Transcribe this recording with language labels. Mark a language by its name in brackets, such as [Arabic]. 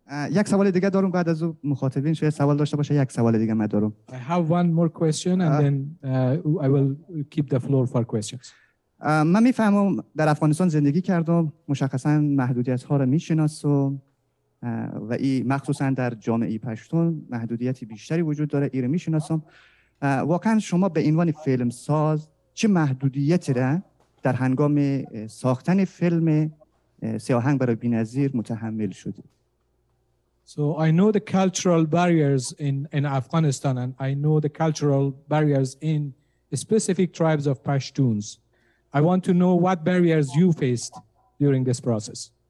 [Persian] یک سوال دیگه دارم بعد از او مخاطبین شاید سوال داشته باشه یک سوال دیگه من دارم. [English] I have one more question and then I will keep the floor for questions. [Persian] من میفهمم در افغانستان زندگی کردم مشخصا محدودیت ها را میشناسم و این مخصوصا در جامعه پشتون محدودیتی بیشتری وجود داره ایره میشناسم. واقعا شما به عنوان فیلم ساز چه محدودیتی را در هنگام ساختن فیلم سیاهنگ برای بی‌نظیر متحمل شدید؟ [English] So I know the cultural barriers in Afghanistan, and I know the cultural barriers in specific tribes of Pashtuns. I want to know what barriers you faced during this process.